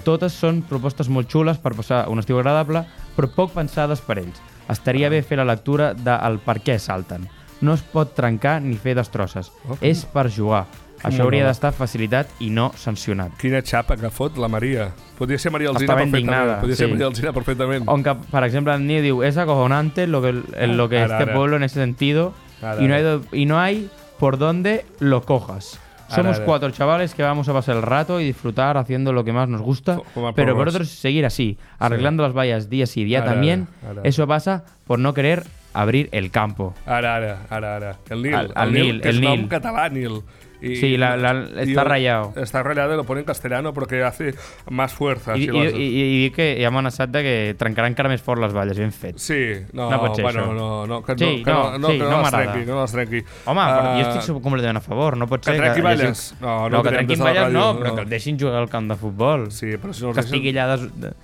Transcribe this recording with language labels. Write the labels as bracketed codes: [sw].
[ca] Totes són propostes molt xules per passar un estiu agradable, però poc pensades per ells. Estaria bé fer la lectura del per què salten. No es pot trencar ni fer destrosses. Okay. És per jugar. Això hauria d'estar facilitat i no sancionat. Quina xapa que fot la Maria. Podria ser Maria Alzina perfectament. Podria ser Maria Alzina perfectament. On que, per exemple, el Nil diu [es] «Es acojonante lo que, en lo que este pueblo en ese sentido y no hay por dónde lo cojas». Somos cuatro chavales que vamos a pasar el rato y disfrutar haciendo lo que más nos gusta, pero por otros seguir así, arreglando las vallas día sí, día también, eso pasa por no querer abrir el campo. [ca] Ara. El Nil. Nom català, Nil. Sí, està ratllado. Està [es] ratllado y lo pone en castellano porque hace más fuerza. [ca] I diu que hi ha amenaçat que trencarà encara més fort les valles, ben fet. Sí, no m'agrada. Que no les trenqui. Home, jo estic completament a favor. No pot ser que trenquin valles. No, que trenquin valles no, però que el deixin jugar al camp de futbol. Sí, però si no els deixen...